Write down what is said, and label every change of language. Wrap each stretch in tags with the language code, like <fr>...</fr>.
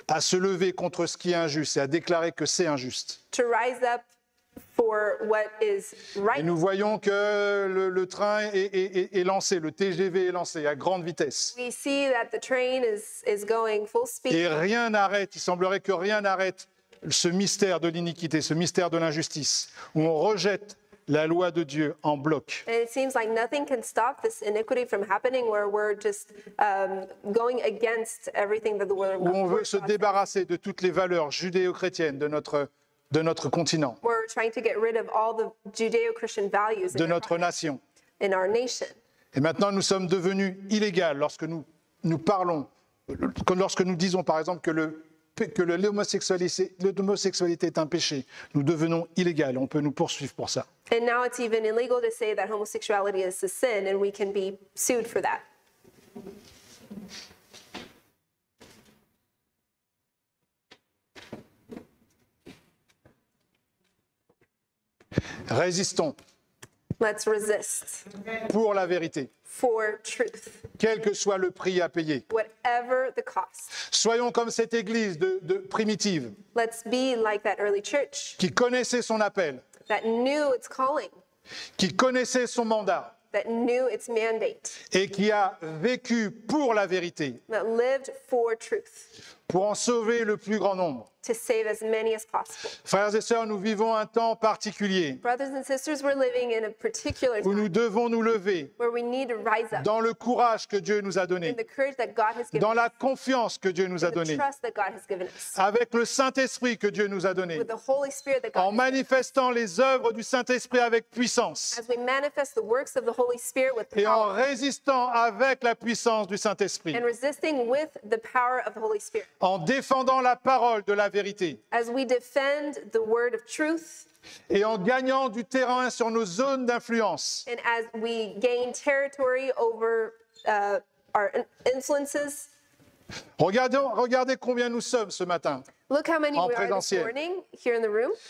<fr>À se lever contre ce qui est injuste et à déclarer que c'est injuste.</fr> <en>To rise up. For what is right.</en> <fr>Et nous voyons que le train est lancé, le TGV est lancé à grande vitesse.</fr> <en>We see that the train is going full speed.</en> <fr>Et rien n'arrête, il semblerait que rien n'arrête ce mystère de l'iniquité, ce mystère de l'injustice, où on rejette la loi de Dieu en bloc.</fr> <en>And it seems like nothing can stop this iniquity from happening, where we're just going against everything that the world.</en> <fr>Où on veut se débarrasser de toutes les valeurs judéo-chrétiennes de notre continent.</fr> <en>We're trying to get rid of all the Judeo-Christian values.</en> <fr>De notre nation.</fr> <en>In our nation.</en> <fr>Et maintenant, nous sommes devenus illégaux lorsque nous parlons, lorsque nous disons, par exemple, que l'homosexualité est un péché. Nous devenons illégaux. On peut nous poursuivre pour ça.</fr> <en>And now it's even illegal to say that homosexuality is a sin, and we can be sued for that.</en> <fr>Résistons.</fr> <en>Let's resist.</en> <fr>Pour la vérité.</fr> <en>For truth.</en> <fr>Quel que soit le prix à payer.</fr> <en>Whatever the cost.</en> <fr>Soyons comme cette église de primitive.</fr> <en>Let's be like that early church.</en> <fr>Qui connaissait son appel.</fr> <en>That knew its calling.</en> <fr>Qui connaissait son mandat.</fr> <en>That knew its mandate.</en> <fr>Et qui a vécu pour la vérité.</fr> <en>That lived for truth.</en> <fr>Pour en sauver le plus grand nombre.</fr> <en>To save as many as possible.</en> <fr>Frères et sœurs, nous vivons un temps particulier.</fr> <en>Brothers and sisters, we're living in a particular time.</en> <fr>Où nous devons nous lever.</fr> <en>Where we need to rise up.</en> <fr>Dans le courage que Dieu nous a donné.</fr> <en>In the courage that God has given us.</en> <fr>Dans la confiance que Dieu nous a donné.</fr> <en>In the trust that God has given us.</en> <fr>Avec le Saint-Esprit que Dieu nous a donné.</fr> <en>With the Holy Spirit that God.</en> <fr>En manifestant les œuvres du Saint-Esprit avec puissance.</fr> <en>As we manifest the works of the Holy Spirit with power.</en> <fr>Et en résistant avec la puissance du Saint-Esprit.</fr> <en>And resisting with the power of the Holy Spirit.</en> <fr>En défendant la parole de la vérité.</fr> <en>As we defend the word of truth.</en> <fr>Et en gagnant du terrain sur nos zones d'influence.</fr> <en>And as we gain territory over our influences.</en> <fr>Regardez combien nous sommes ce matin.</fr> <en>Look how many we are this morning here in the room.</en>